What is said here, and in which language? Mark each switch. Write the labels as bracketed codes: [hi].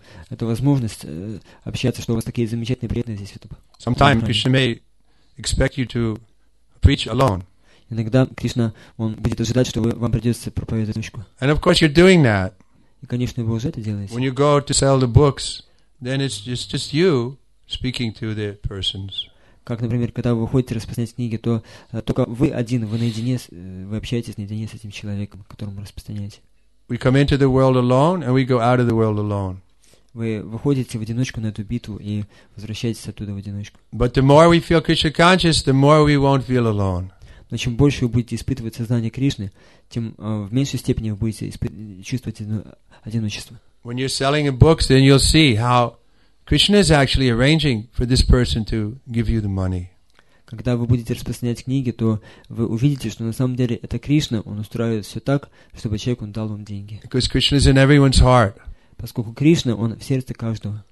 [ru] Это возможность общаться, что у вас такие замечательные преданные здесь. [en] Sometimes Krishna may expect you to preach alone. [ru] Иногда Кришна он будет ожидать, что вам придется проповедовать одиночку. [en] And of course, you're doing that. [ru] И конечно, вы уже это делаете. [en] When you go to sell the books. Then it's just you speaking to the persons. [ru] Как, например, когда вы выходите распространять книги, то только вы один, вы наедине, вы общаетесь наедине с этим человеком, которому вы распространяете. [en] We come into the world alone, and we go out of the world alone. [ru] Вы выходите в одиночку на эту битву и возвращаетесь оттуда в одиночку. [en] But the more we feel Krishna conscious, the more we won't feel alone. [ru] Но чем больше вы будете испытывать сознание Кришны, тем в меньшей степени вы будете чувствовать одиночество. [en] When you're selling a book, then you'll see how Krishna is actually arranging for this person to give you the money. [ru] Когда вы будете распространять книги, то вы увидите, что на самом деле это Кришна, он устраивает все так, чтобы человек он дал вам деньги. [en] Because Krishna is in everyone's heart. [ru] Поскольку Кришна он в сердце каждого.